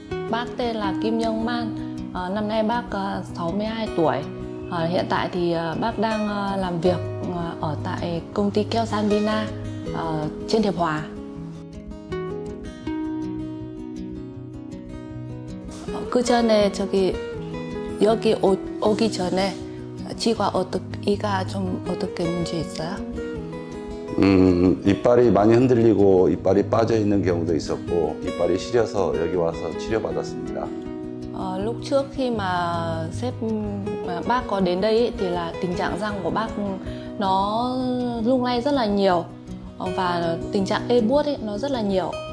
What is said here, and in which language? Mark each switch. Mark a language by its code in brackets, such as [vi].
[vi] Bác tên là Kim Nhung Man, năm nay bác 62 tuổi. Hiện tại thì bác đang làm việc ở tại công ty Keo San Vina trên Hiệp Hòa. Cứ chờ này, [ko] 저기 여기 오기 전에 치과 이가 좀 어떻게 문제 있어요? 이빨이 많이 흔들리고 이빨이 빠져 있는 경우도 있었고 이빨이 시려서 여기 와서 치료받았습니다. [vi] Lúc trước khi mà bác có đến đây ấy, thì là tình trạng răng của bác nó lung lay rất là nhiều, và tình trạng ê buốt ấy nó rất là nhiều.